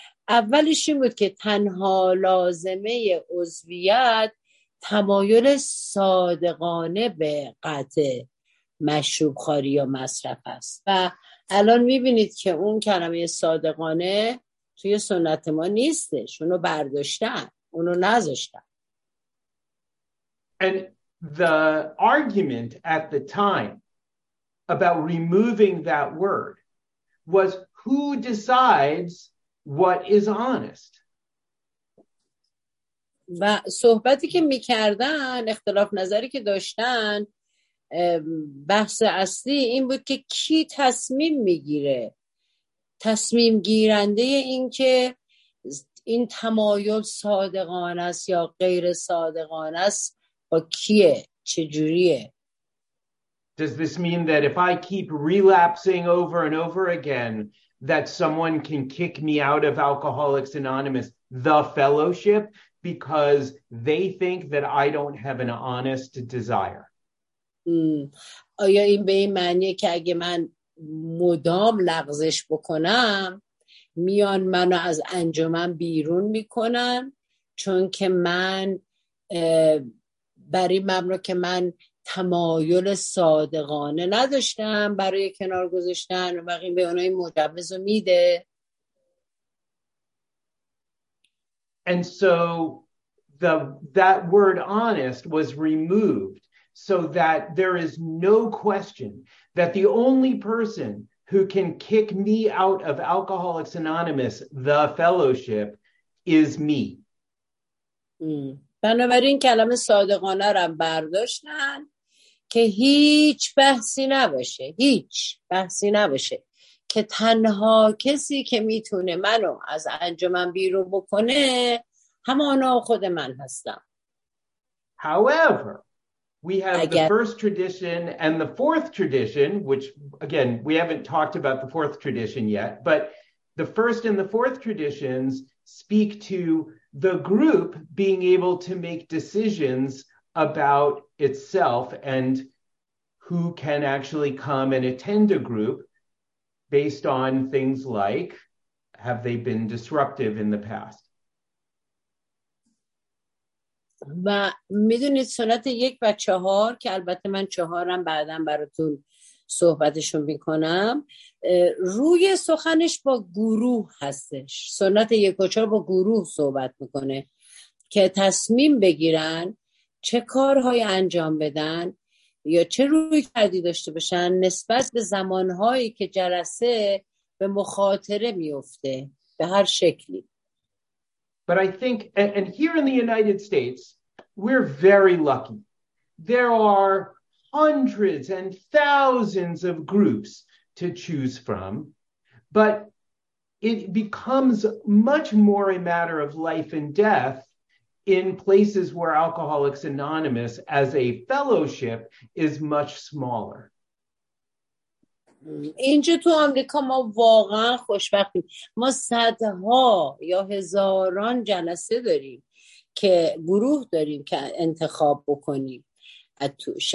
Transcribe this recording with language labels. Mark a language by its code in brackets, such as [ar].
[fa] اولش این بود که تنها لازمه عضویت تمایل صادقانه به قطع مشروب خواری یا مصرف است. و الان میبینید که اون کلمه صادقانه توی سنت ما نیستش، اونو برداشتن، اونو نذاشتن. [en] And the argument at the time about removing that word was who decides what is honest. [fa] و صحبتی که میکردن، اختلاف نظری که داشتن، بحث اصلی این بود که کی تصمیم میگیره، تصمیم گیرنده این که این تمایل صادقانه است یا غیر صادقانه است با کیه، چجوریه. [en] Does this mean that if I keep relapsing over and over again that someone can kick me out of Alcoholics Anonymous the fellowship because they think that I don't have an honest desire? [fa] آیا این به این معنیه که اگه من مدام لغزش بکنم میان منو از انجمن بیرون میکنن چون که من برای ممنوع که من تمایل صادقانه نداشتم برای کنار گذاشتن و بقیه به اونای مجوز میده؟ [en] And so that word honest was removed so that there is no question that the only person who can kick me out of Alcoholics Anonymous, the fellowship, is me. [fa] بنابراین کلمه صادقانه را برداشتن که هیچ بحثی نباشه، هیچ بحثی نباشه که تنها کسی که میتونه منو از انجمن بیرون بکنه همانا خود من هستم. [en] However, we have the first tradition and the fourth tradition, which again, we haven't talked about the fourth tradition yet, but the first and the fourth traditions speak to the group being able to make decisions about itself and who can actually come and attend a group based on things like have they been disruptive in the past. [fa] و میدونید سنت یک و چهار که البته من چهارم بعدم براتون صحبتشون میکنم روی سخنش با گروه هستش. سنت یک و چهار با گروه صحبت میکنه که تصمیم بگیرن چه کارهای انجام بدن یا چه روی کردی داشته باشن نسبت به زمانهایی که جلسه به مخاطره میفته به هر شکلی. [en] But I think, and here in the United States, we're very lucky. There are hundreds and thousands of groups to choose from, but it becomes much more a matter of life and death in places where Alcoholics Anonymous as a fellowship is much smaller. [fa] اینجا تو آمریکا ما واقعا خوشبختیم. ما صدها یا هزاران جلسه داریم که گروه داریم که انتخاب بکنیم از توش.